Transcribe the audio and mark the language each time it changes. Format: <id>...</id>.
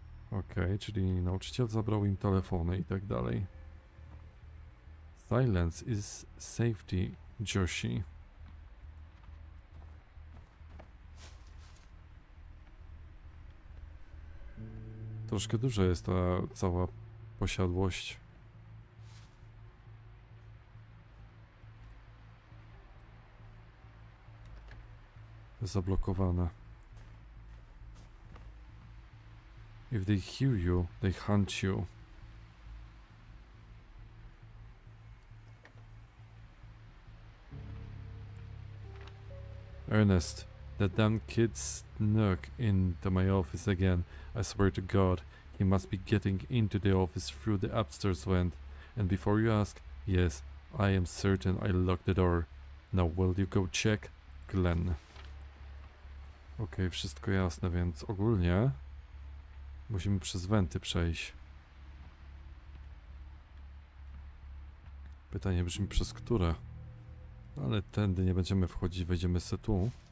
<pl>Okej, okay, czyli nauczyciel zabrał im telefony i tak dalej.</pl> <en>Silence is safety, Joshi.</en> <pl>Troszkę duża jest ta cała posiadłość. Zablokowana.</pl> <en>If they hear you, they hunt you. Ernest, that damn kid snuck into my office again. I swear to God, he must be getting into the office through the upstairs vent. And before you ask, yes, I am certain I locked the door. Now will you go check, Glenn?</en> <pl>Okej, wszystko jasne, więc ogólnie musimy przez wenty przejść. Pytanie brzmi, przez które? Ale tędy nie będziemy wchodzić, wejdziemy se tu.</pl>